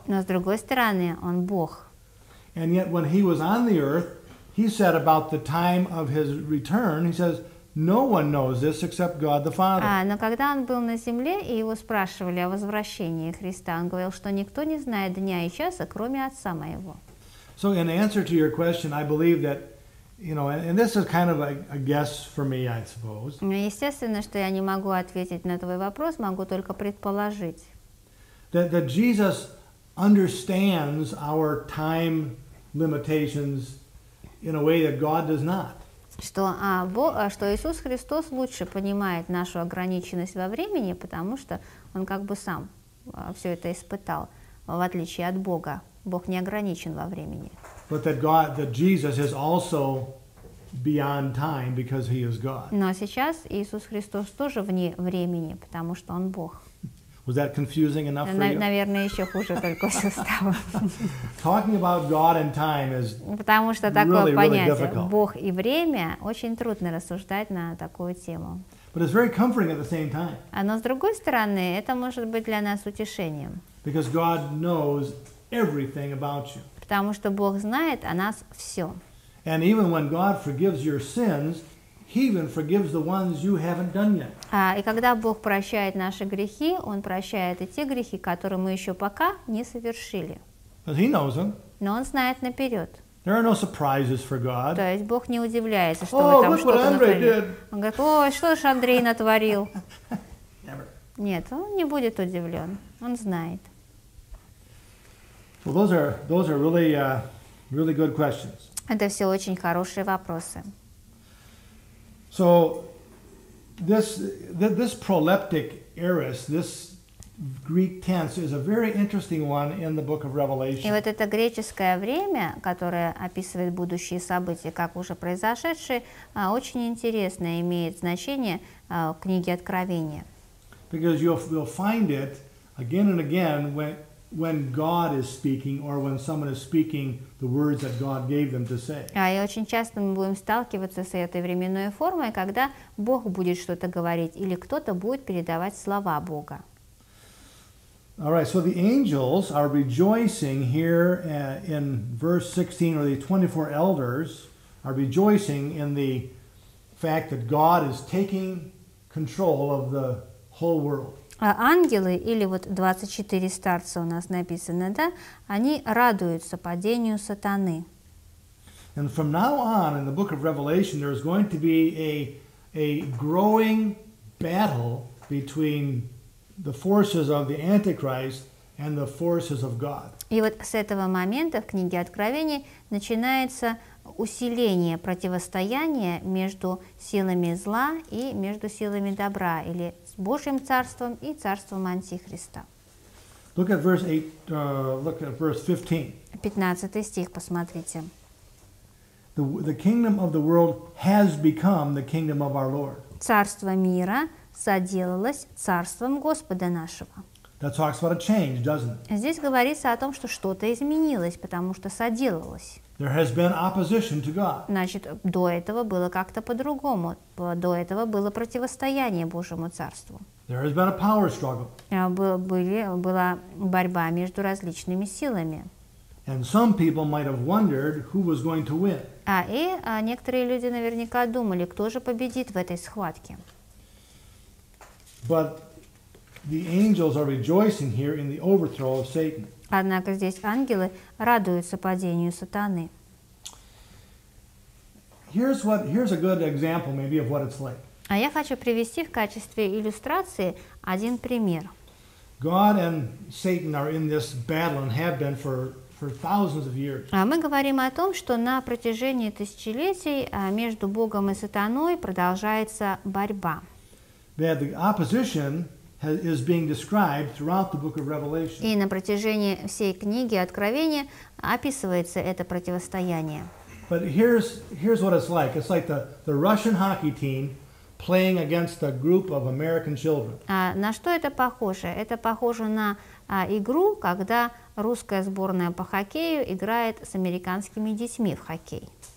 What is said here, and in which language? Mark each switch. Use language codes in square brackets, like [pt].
[ru] Но с другой стороны, он Бог. [en] And yet, when he was on the earth, he said about the time of his return. He says. No one knows this except God the Father. [ru] Но когда он был на земле, и его спрашивали о возвращении Христа, он говорил, что никто не знает дня и часа, кроме Отца моего. [en] So in answer to your question, I believe that, you know, and this is kind of a guess for me, I suppose. [ru] Естественно, что я не могу ответить на твой вопрос, могу только предположить. [en] That Jesus understands our time limitations in a way that God does not. [ru] Что Иисус Христос лучше понимает нашу ограниченность во времени, потому что Он как бы сам все это испытал, в отличие от Бога. Бог не ограничен во времени. [en] But that God, that Jesus is also beyond time because He is God. [ru] Но сейчас Иисус Христос тоже вне времени, потому что Он Бог. [en] Was that confusing enough for you? [ru] Наверное, еще хуже только все стало. [en] Talking about God and time is [ru] Потому что такое [en] really, [ru] понятие [en] really difficult. [ru] Бог и время очень трудно рассуждать на такую тему. [en] But it's very comforting at the same time. [ru] Но с другой стороны, это может быть для нас утешением. [en] Because God knows everything about you. [ru] Потому что Бог знает о нас все. [en] And even when God forgives your sins, He even forgives the ones you haven't done yet. [ru] И когда Бог прощает наши грехи, Он прощает и те грехи, которые мы еще пока не совершили. [en] But He knows them. [ru] Но Он знает наперед. [en] There are no surprises for God. [ru] То есть Бог не удивляется, что мы там что-то натворили. Он говорит, что ж Андрей натворил. [en] Never. [ru] Нет, он не будет удивлен. Он знает. [en] Well, those are really, really good questions. [ru] Это все очень хорошие вопросы. [en] So, this proleptic aorist, this Greek tense, is a very interesting one in the book of Revelation. [ru] И вот это греческое время, которое описывает будущие события, как уже произошедшие, очень интересно имеет значение в книге Откровения. [en] Because you'll find it again and again when God is speaking or when someone is speaking the words that God gave them to say. [ru] И очень часто мы будем сталкиваться с этой временной формой, когда Бог будет что-то говорить или кто-то будет передавать слова Бога. [en] All right, so the angels are rejoicing here in verse 16, or the 24 elders are rejoicing in the fact that God is taking control of the whole world. [ru] А ангелы, или вот 24 старца у нас написано, да, они радуются падению сатаны. [en] And from now on in the book of Revelation there is going to be a growing battle between the forces of the Antichrist and the forces of God. [ru] И вот с этого момента в книге Откровений начинается усиление, противостояние между силами зла и между силами добра, или с Божьим царством и царством Антихриста. [en] Look at verse 8, look at verse 15. [ru] 15 стих, посмотрите. [en] The kingdom of the world has become the kingdom of our Lord. [ru] Царство мира соделалось царством Господа нашего. [en] That talks about a change, doesn't it? [ru] Здесь говорится о том, что что-то изменилось, потому что соделалось. [en] There has been opposition to God. [ru] Значит, до этого было как-то по-другому. До этого было противостояние Божьему царству. [en] There has been a power struggle. [ru] Была борьба между различными силами. [en] And some people might have wondered who was going to win. [ru] Некоторые люди наверняка думали, кто же победит в этой схватке. [en] But the angels are rejoicing here in the overthrow of Satan. [ru] Однако здесь ангелы радуются падению сатаны. [en] Here's a good example maybe of what it's like. [ru] А я хочу привести в качестве иллюстрации один пример. [en] God and Satan are in this battle and have been for thousands of years. [ru] А мы говорим о том, что на протяжении тысячелетий между Богом и сатаной продолжается борьба. [en] That the opposition is being described throughout the book of Revelation. [ru] И на протяжении всей книги Откровения описывается это противостояние. [en] But here's what it's like. It's like the Russian hockey team playing against a group of American children. [ru] На что это похоже? Это похоже на игру, когда русская сборная по хоккею играет с американскими детьми в хоккей.